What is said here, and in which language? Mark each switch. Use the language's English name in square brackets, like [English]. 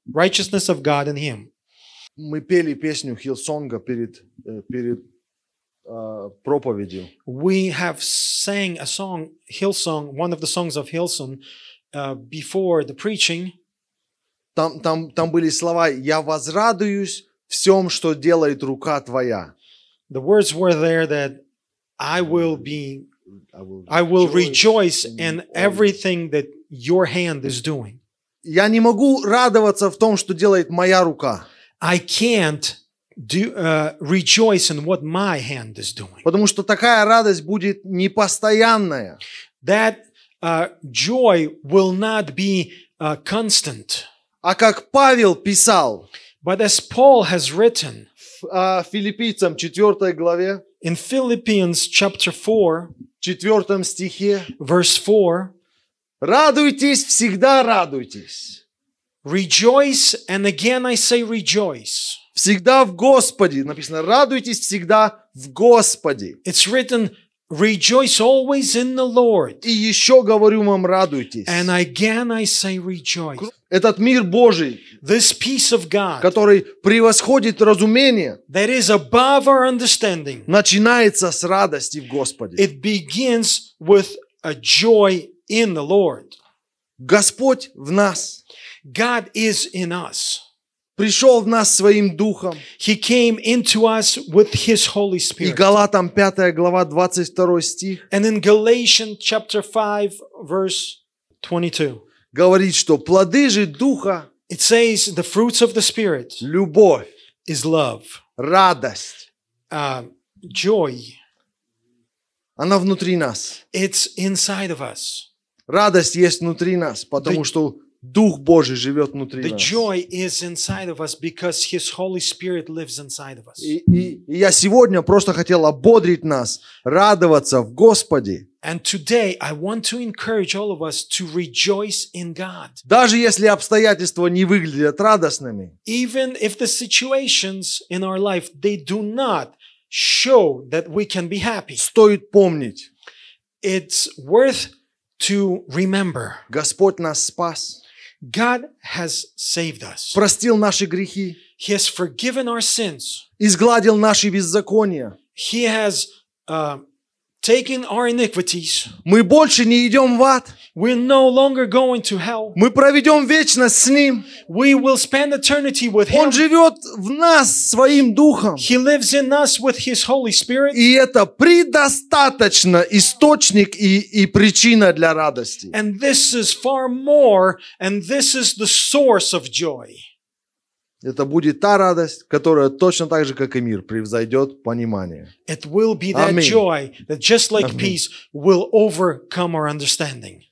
[English] Righteousness of God in Him. [Russian] Мы пели песню Хилсонга перед проповедью. [English] We have sang a song, Hillsong, one of the songs of Hillsong, before the preaching. [Russian] Там были слова: «Я возрадуюсь всем, что делает рука Твоя». [English] The words were there that I will rejoice in everything that your hand is doing. [Russian] Я не могу радоваться в том, что делает моя рука. [English] I can't rejoice in what my hand is doing. [Russian] Потому что такая радость будет непостоянная. [English] That joy will not be constant. [Russian] А как Павел писал, [English] but as Paul has written, [Russian] Филиппийцам 4 главе, [English] in Philippians chapter 4, [Russian] 4 стихе, [English] verse 4, [Russian] радуйтесь, всегда радуйтесь. [English] Rejoice, and again I say rejoice. [Russian] Всегда в Господе. Написано, радуйтесь всегда в Господе. [English] It's written, rejoice always in the Lord. [Russian] И еще говорю вам, радуйтесь. [English] And again I say rejoice. [Russian] Этот мир Божий, [English] this peace of God, [Russian] который превосходит разумение, [English] that is above our understanding, [Russian] начинается с радости в Господе. [English] It begins with a joy in the Lord. [Russian] Господь в нас. [English] God is in us. [Russian] Пришел в нас своим духом. [English] He came into us with His Holy Spirit. [Russian] И Галатам 5 глава 22 стих. [English] And in Galatians chapter 5 verse 22. [Russian] Говорит, что плоды же духа. [English] It says the fruits of the Spirit. [Russian] Любовь. [English] Is love. [Russian] Радость. [English] Joy. [Russian] Она внутри нас. [English] It's inside of us. [Russian] Радость есть внутри нас, потому что Дух Божий живет внутри нас. [English] The joy is inside of us because His Holy Spirit lives inside of us. [Russian] И я сегодня просто хотел ободрить нас, радоваться в Господе. [English] And today I want to encourage all of us to rejoice in God. [Russian] Даже если обстоятельства не выглядят радостными. [English] Even if the situations in our life, they do not show that we can be happy. [Russian] Стоит помнить. [English] It's worth to remember. [Russian] Господь нас спас. [English] God has saved us. [Russian] Простил наши грехи. [English] He has forgiven our sins. [Russian] Изгладил наши беззакония. [English] He has taken our iniquities. [Russian] Мы больше не идем в ад. [English] We're no longer going to hell. [Russian] Мы проведем вечность с Ним. [English] We will spend eternity with Him. [Russian] Он живет в нас своим духом. [English] He lives in us with His Holy Spirit. [Russian] И это предостаточно источник и причина для радости. [English] And this is far more, and this is the source of joy. [Russian] Это будет та радость, которая точно так же, как и мир, превзойдет понимание. [English] It will be that Amen. Joy that just like Amen. Peace will overcome our understanding.